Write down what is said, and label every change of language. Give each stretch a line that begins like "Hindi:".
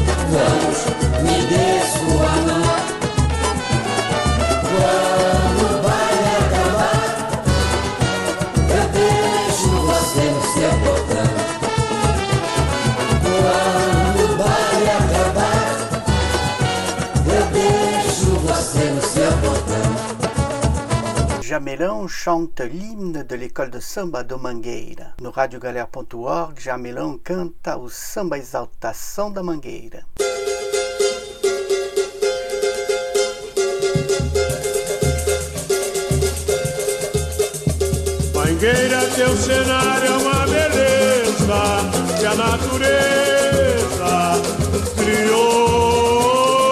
Portuguese: Vamos, me dê sua mão. Quando o baile acabar, eu deixo você no seu portão. Quando o baile acabar, eu deixo você no seu portão.
French: Jamelão chante l'hymne de l'école de samba de Mangueira.
Portuguese: No radiogalera.org, Jamelão canta o samba exaltação da Mangueira. Mangueira, teu cenário é uma beleza que a natureza criou.